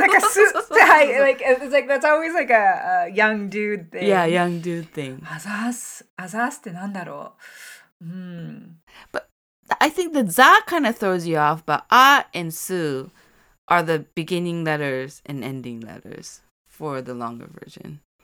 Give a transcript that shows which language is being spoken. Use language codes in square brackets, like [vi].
[en] なんか、す、はい、like, it's like, that's always like a young dude thing. Yeah, young dude thing. [ja] あざーす、あざーすってなんだろう。 [en] But I think the za kind of throws you off, but a and su are the beginning letters and ending letters for the longer version.